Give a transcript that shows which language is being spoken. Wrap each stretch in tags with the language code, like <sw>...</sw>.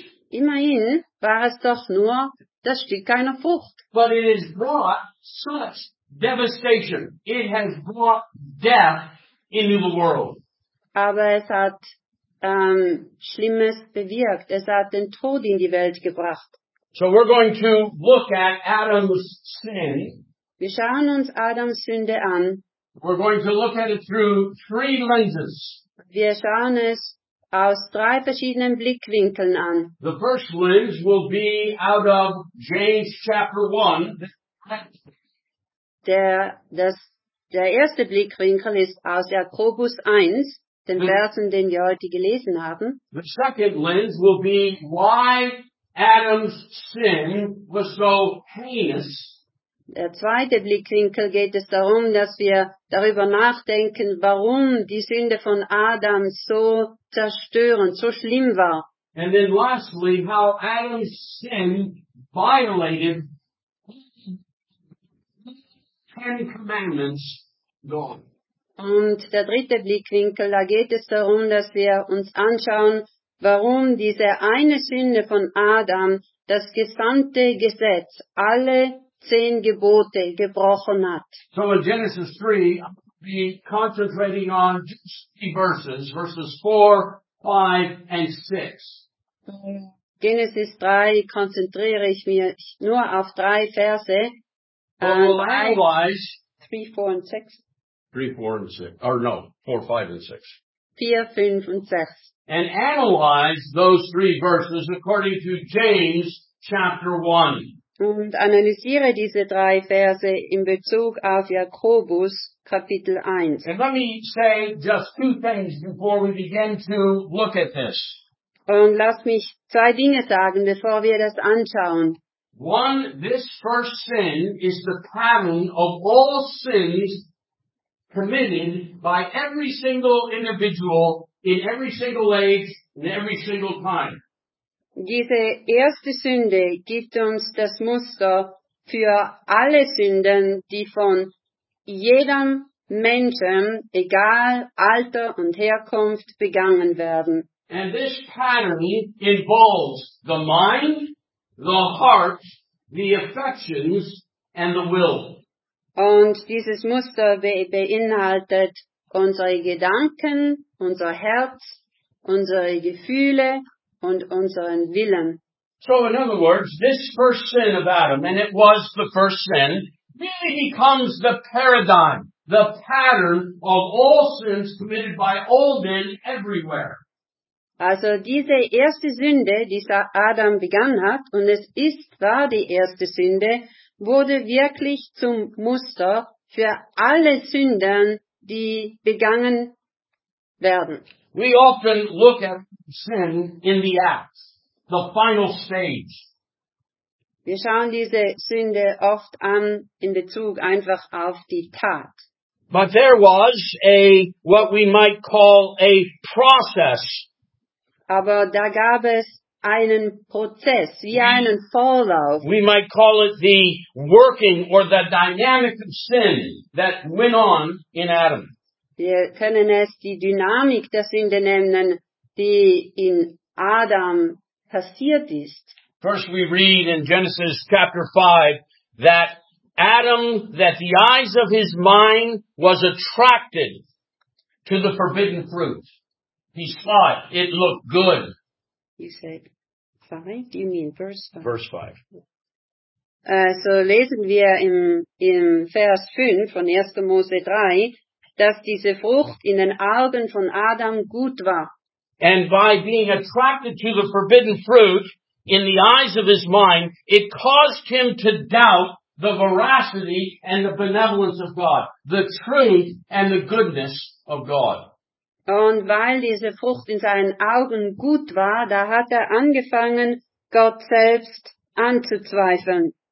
<de>Immerhin war es doch nur das Stück einer Frucht.</de> <en>But it has brought such devastation. It has brought death into the world.</en> <de>Aber es hat Schlimmes bewirkt. Es hat den Tod in die Welt gebracht.</de> <en>So we're going to look at Adam's sin.</en> <de>Wir schauen uns Adams Sünde an.</de> <en>We're going to look at it through three lenses.</en> <de>Wir schauen es aus drei verschiedenen Blickwinkeln an.</de> <en>The first lens will be out of James chapter 1.</en> <de>Der erste Blickwinkel ist aus Jakobus 1. Den Versen, den wir heute gelesen haben.</de> <en>The second lens will be why Adam's sin was so heinous.</en> <de>Der zweite Blickwinkel geht es darum, dass wir darüber nachdenken, warum die Sünde von Adam so zerstörend, so schlimm war.</de> <en>And then lastly, how Adam's sin violated the Ten Commandments God.</en> <de>Und der dritte Blickwinkel, da geht es darum, dass wir uns anschauen, warum diese eine Sünde von Adam das gesamte Gesetz, alle 10 Gebote, gebrochen hat.</de> <en>So in Genesis 3, I'll be concentrating on just three verses, verses 4, 5 and 6.</en> <de>Genesis 3 konzentriere ich mich nur auf drei Verse.</de> <en>Four, five, and six. And analyze those three verses according to James chapter 1.</en> <de>Und analysiere diese drei Verse in Bezug auf Jakobus Kapitel 1.</de> <en>And let me say just two things before we begin to look at this.</en> <de>Und lass mich zwei Dinge sagen, bevor wir das anschauen.</de> <en>One, this first sin is the pattern of all sins committed by every single individual in every single age and every single time.</en> <de>Diese erste Sünde gibt uns das Muster für alle Sünden, die von jedem Menschen, egal Alter und Herkunft, begangen werden.</de> <en>And this pattern involves the mind, the heart, the affections, and the will.</en> <de>Und dieses Muster beinhaltet unsere Gedanken, unser Herz, unsere Gefühle und unseren Willen.</de> <en>So in other words, this first sin of Adam, and it was the first sin, really becomes the paradigm the pattern of all sins committed by all men everywhere.</en> <de>Also diese erste Sünde, die Adam begangen hat, und es ist zwar die erste Sünde, wurde wirklich zum Muster für alle Sünden, die begangen werden.</de> <en>We often look at sin in the act, the final stage.</en> <de>Wir schauen diese Sünde oft an in Bezug einfach auf die Tat.</de> <en>But there was a, what we might call a process.</en> <de>Aber da gab es einen Prozess, wie einen Vorlauf.</de> <en>We might call it the working or the dynamic of sin that went on in Adam.</en> <de>Wir können es die Dynamik der Sünde nennen, die in Adam passiert ist.</de> <en>First we read in Genesis chapter 5 that Adam, that the eyes of his mind was attracted to the forbidden fruit. He saw it. It looked good. You said 5? Do you mean verse 5? Verse 5.</en> <de>So lesen wir im Vers 5 von 1. Mose 3, dass diese Frucht in den Augen von Adam gut war.</de> <en>And by being attracted to the forbidden fruit, in the eyes of his mind, it caused him to doubt the veracity and the benevolence of God, the truth and the goodness of God.</en> <de>Und weil diese Frucht in seinen Augen gut war, da hat er angefangen, Gott selbst anzuzweifeln.</de>